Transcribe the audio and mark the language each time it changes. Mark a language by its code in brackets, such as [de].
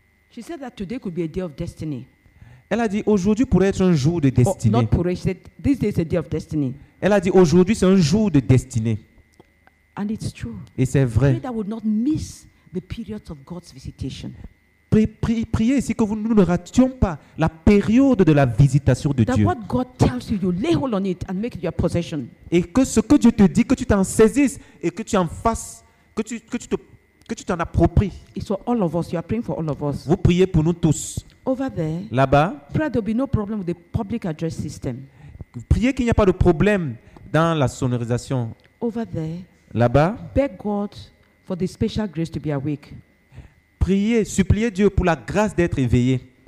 [en] She said that today could be a day of destiny. [fr] Elle a dit aujourd'hui pourrait être un jour de destinée. [en] This day is a day of destiny. [fr] Elle a dit aujourd'hui c'est un jour de destinée. [en] And it's true. [fr] Et c'est vrai. [en] Pray that would not miss the periods of God's visitation. [fr] Priez ici que nous ne rations pas la période de la visitation de [en] that [fr] Dieu. [en] What God tells you, you lay hold on it and make it your possession. [fr] Et que ce que Dieu te dit, que tu t'en saisisses et que tu en fasses, que tu t'en appropries. [en] It's for all of us. You are praying for all of us. [fr] Vous priez pour nous tous. [en] Over there. [fr] Là-bas. [en] Pray there'll be no problem with the public address system. [fr] Priez qu'il n'y a pas de problème dans la sonorisation. [en] Over there. [fr] Là-bas. [en] Beg God for the special grace to be awake. [fr] Priez, suppliez Dieu pour la grâce d'être éveillé.